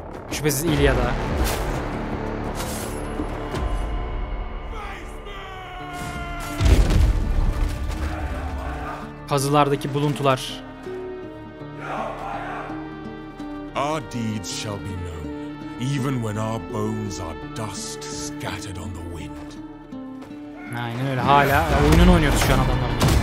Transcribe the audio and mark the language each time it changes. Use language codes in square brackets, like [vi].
[tr] Şüphesiz İlyada. Kazılardaki buluntular. [en] Our deeds shall be known, even when our bones are dust scattered on the wind. [tr] Aynen öyle. Hala oyunun oynuyoruz şu an adamlar.